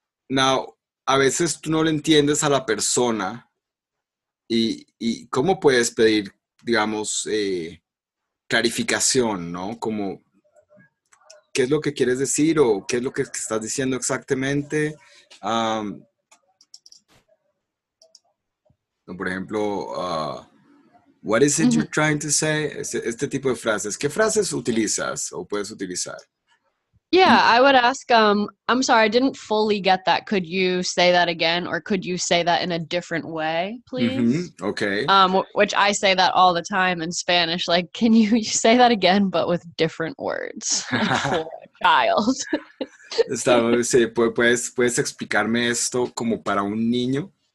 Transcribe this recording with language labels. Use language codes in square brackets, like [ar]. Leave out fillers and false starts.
[es] Now, a veces tú no le entiendes a la persona y cómo puedes pedir, digamos, clarificación, ¿no? Como, ¿qué es lo que quieres decir o qué es lo que estás diciendo exactamente? Por ejemplo, [en] what is it you're trying to say? [es] Este tipo de frases. ¿Qué frases utilizas o puedes utilizar? [en] Yeah, I would ask, I'm sorry, I didn't fully get that. Could you say that again, or could you say that in a different way, please? Mm-hmm. Okay. Which I say that all the time in Spanish. Like, can you say that again, but with different words? Like, for a child. [es] Está, sí, puedes explicarme esto como para un niño.